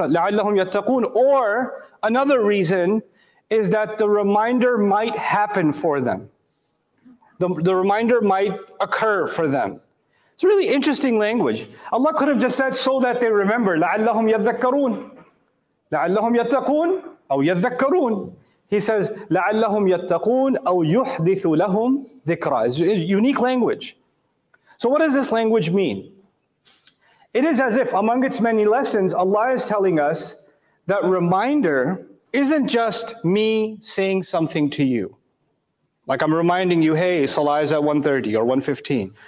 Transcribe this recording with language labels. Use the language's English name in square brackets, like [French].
[Arabic] لَعَلَّهُمْ يَتَّقُونَ. [English] Or another reason is that the reminder might happen for them. The reminder might occur for them. It's really interesting language. Allah could have just said so that they remember. [Arabic] لَعَلَّهُمْ يَذَّكَّرُونَ. لَعَلَّهُمْ يَتَّقُونَ أَوْ يَذَّكَّرُونَ. [English] He says, [Arabic] لَعَلَّهُمْ يَتَّقُونَ أَوْ يُحْدِثُ لَهُمْ ذِكْرًا. [English] It's a unique language. So what does this language mean? It is as if among its many lessons, Allah is telling us that reminder isn't just me saying something to you. Like I'm reminding you, hey, Salah is at 1:30 or 1:15.